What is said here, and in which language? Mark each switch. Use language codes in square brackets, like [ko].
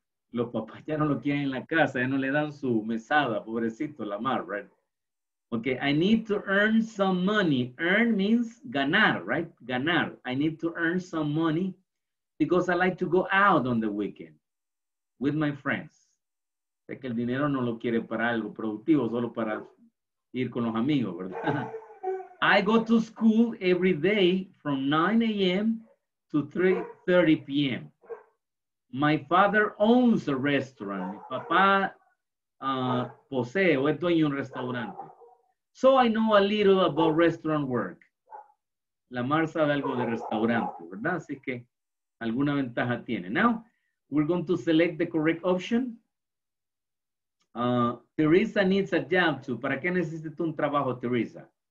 [es] Los papás ya no lo quieren en la casa, ya no le dan su mesada, pobrecito Lamar, right? [en] Okay, I need to earn some money. Earn means ganar, right? Ganar. I need to earn some money because I like to go out on the weekend with my friends. [es] Sé que el dinero no lo quiere para algo productivo, solo para ir con los amigos, ¿verdad? [en] I go to school every day from 9 a.m. to 3:30 p.m. My father owns a restaurant. [es] Mi papá posee o es dueño de un restaurante. [en] So I know a little about restaurant work. [es] Lamar sabe algo de restaurante, ¿verdad? Así que alguna ventaja tiene. [en] Now, we're going to select the correct option. Teresa needs a job too. [es] ¿Para qué necesita un trabajo, Teresa?